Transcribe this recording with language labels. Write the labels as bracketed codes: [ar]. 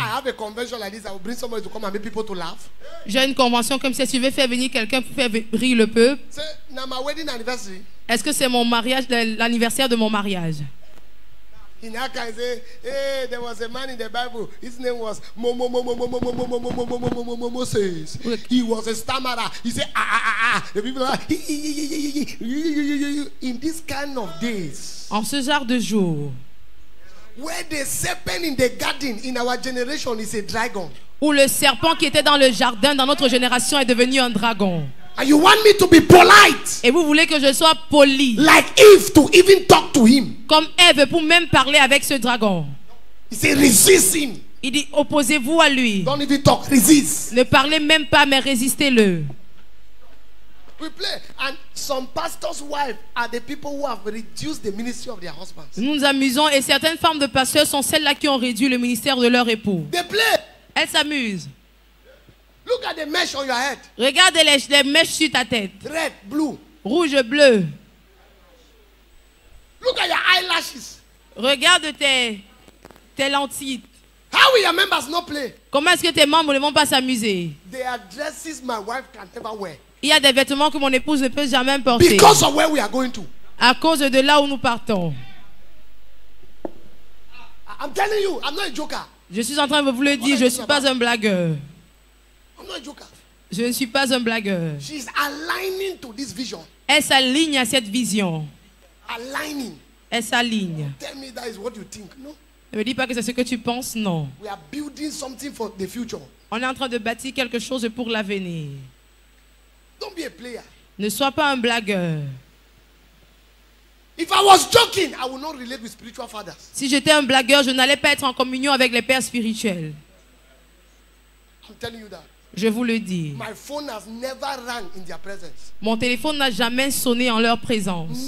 [en] I have a convention like this. I will bring somebody to come and make people to laugh. [fr] J'ai une convention comme ça. Si je veux faire venir quelqu'un pour faire rire le peuple. [en] So, now my wedding anniversary. [fr] Est-ce que c'est mon mariage, l'anniversaire de mon mariage? [en] In that case, hey, there was a man in the Bible. His name was Moses. He was a stammerer. He said, the people are in this kind of days. [fr] En ce genre de jour. [en] Where the serpent in the garden in our generation is a dragon. [fr] Où le serpent qui était dans le jardin dans notre génération est devenu un dragon. [en] And you want me to be polite? [fr] Et vous voulez que je sois poli? [en] Like Eve to even talk to him. [fr] Comme Eve pour même parler avec ce dragon. [en] He said, resist him. [fr] Il dit opposez-vous à lui. [en] Don't even talk, resist. [fr] Ne parlez même pas mais résistez-le. [en] We play. And some pastors' wives are the people who have reduced the ministry of their husbands. [fr] Nous nous amusons et certaines femmes de pasteurs sont celles-là qui ont réduit le ministère de leur époux. [en] They play. [fr] Elles s'amusent. [en] Look at the mesh on your head. [fr] Regarde les mèches sur ta tête. [en] Red, blue. [fr] Rouge, bleu. [en] Look at your eyelashes. [fr] Regarde tes lentilles. [en] How will your members not play? [fr] Comment est-ce que tes membres ne vont pas s'amuser? [en] They are dresses my wife can never wear. [fr] Il y a des vêtements que mon épouse ne peut jamais porter. [en] Because of where we are going to. [fr] À cause de là où nous partons. [en] I'm telling you, I'm not a joker. [fr] Je suis en train de vous le dire, je ne suis pas un blagueur. [en] I'm not a joker. [fr] Je ne suis pas un blagueur. [en] She's aligning to this vision. [fr] Elle s'aligne à cette vision. [en] Aligning. [fr] Elle s'aligne. [en] Tell me that is what you think. No? [fr] Ne me dis pas que c'est ce que tu penses, non. [en] We are building something for the future. [fr] On est en train de bâtir quelque chose pour l'avenir. [en] Don't be a player. [fr] Ne sois pas un blagueur. [en] If I was joking, I would not relate with spiritual fathers. [fr] Si j'étais un blagueur, je n'allais pas être en communion avec les pères spirituels. [en] I'm telling you that. [fr] Je vous le dis. [en] My phone has never rang in their presence. [fr] Mon téléphone n'a jamais sonné en leur présence.